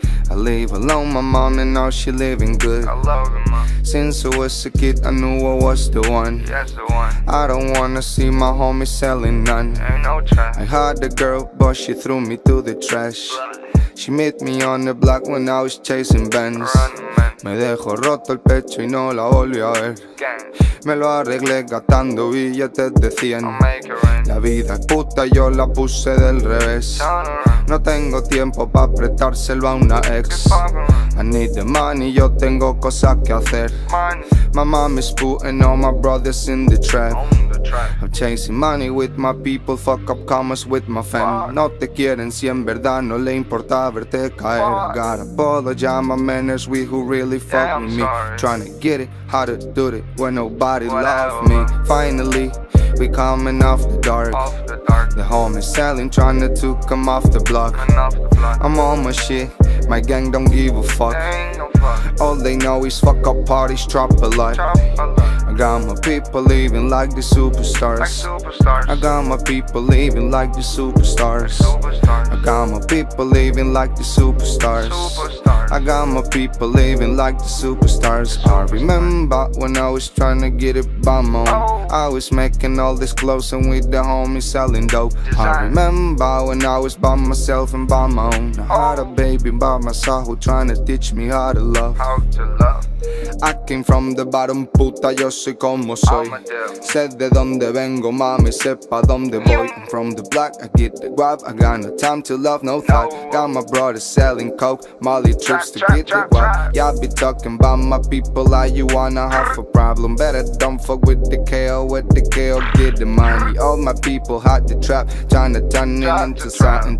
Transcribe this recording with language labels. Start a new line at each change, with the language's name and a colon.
English: I live alone, my mom, and now she living good. I love her, mom. Since I was a kid, I knew I was the one. Yes, the one. I don't wanna see my homies selling none. Ain't no trash. I had a girl, but she threw me to the trash. She met me on the block when I was chasing Benz.
Spanish: Me dejo roto el pecho y no la volví a ver. Me lo arreglé gastando billetes de 100. La vida es puta, yo la puse del revés. No tengo tiempo pa' prestárselo a una ex.
English: I need the money,
Spanish: yo tengo cosas que hacer.
English: My mom is putting all my brothers in the trap. trap. I'm chasing money with my people, fuck up commas with my fam.
Spanish: No te quieren si en verdad no le importa verte caer.
English: I gotta apologize, my man, there's we who really fuck yeah, with sorry. Me. Trying to get it, how to do it when nobody Whatever. Loved me. Finally, we coming off the dark. Off the dark. The home is selling, trying to come off the block. I'm on my shit, my gang don't give a fuck. All they know is fuck up parties, drop a lot. I got my people living like the superstars. I got my people living like the superstars. I got my people living like the superstars. I got my people living like the superstars. I remember when I was trying to get it by my own. I was making all this clothes and with the homies selling dope. I remember when I was by myself and by my own. I had a baby by my side who trying to teach me how to love. How to love. I came from the bottom, puta,
Spanish: yo soy como soy. Sé de donde vengo, mami, sepa donde voy.
English: I'm from the block, I get the guap. I got no time to love, no thought. Got my brother selling coke, Molly trips to get the guap. Yeah, I be talking about my people, like you wanna have a problem. Better don't fuck with the KO, with the KO, get the money. All my people hot the trap, tryna turn it into something.